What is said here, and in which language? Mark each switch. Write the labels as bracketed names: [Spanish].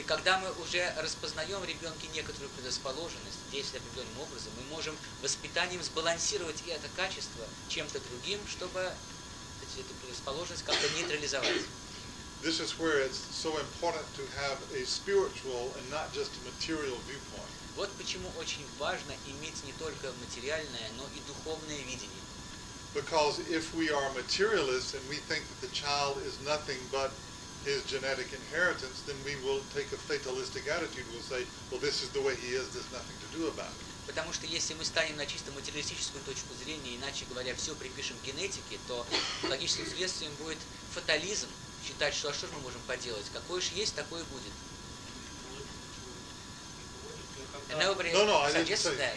[Russian] И когда мы уже распознаем в ребенке некоторую предрасположенность, действуя определенным образом, мы можем воспитанием сбалансировать и это качество чем-то другим, чтобы эту предрасположенность как-то нейтрализовать. [English] This is where it's so important to have a spiritual and not just a material viewpoint. [Russian] Вот почему очень важно иметь не только материальное, но и духовное видение. [English] Because if we are materialists and we think that the child is nothing but his genetic inheritance, then we will take a fatalistic attitude. We'll say, well, this is the way he is, there's nothing to do about it. [Russian] Потому что если мы станем на чисто материалистическую точку зрения, иначе говоря, все припишем генетике, то логическим следствием будет фатализм, считать, что а что же мы можем поделать, какое же есть, такое будет. [English] Nobody suggested that.